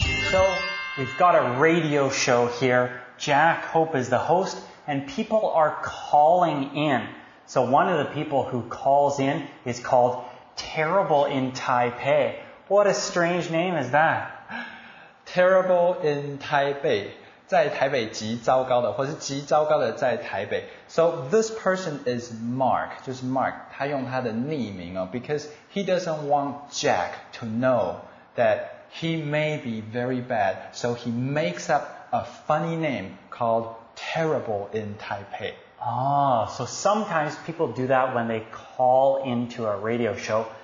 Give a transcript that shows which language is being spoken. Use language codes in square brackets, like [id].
[en] So, we've got a radio show here. Jack Hope is the host, and people are calling in. So, one of the people who calls in is calledTerrible in Taipei. What a strange name is that? Terrible in Taipei. [zh] 在台北极糟糕的或是极糟糕的在台北。 [en] So this person is Mark, [zh] 就是 Mark, 他用他的匿名哦 [en] because he doesn't want Jack to know that he may be very bad, so he makes up a funny name called Terrible in Taipei. So sometimes people do that when they call into a radio show.